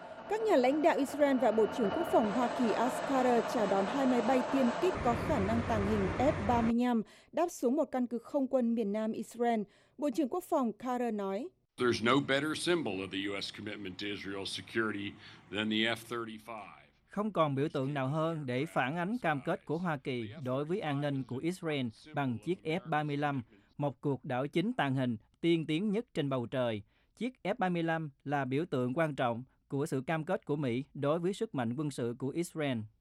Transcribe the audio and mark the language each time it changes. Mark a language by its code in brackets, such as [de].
[vi] Các nhà lãnh đạo Israel và Bộ trưởng Quốc phòng Hoa Kỳ Ashkar chào đón hai máy bay tiêm kích có khả năng tàng hình F-35 đáp xuống một căn cứ không quân miền nam Israel. Bộ trưởng Quốc phòng Carter nói, [en] "There's no better symbol of the US commitment to Israel's security than the F-35. [vi] Không còn biểu tượng nào hơn để phản ánh cam kết của Hoa Kỳ đối với an ninh của Israel bằng chiếc F-35, một cuộc đảo chính tàng hình tiên tiến nhất trên bầu trời. Chiếc F-35 là biểu tượng quan trọng của sự cam kết của Mỹ đối với sức mạnh quân sự của Israel."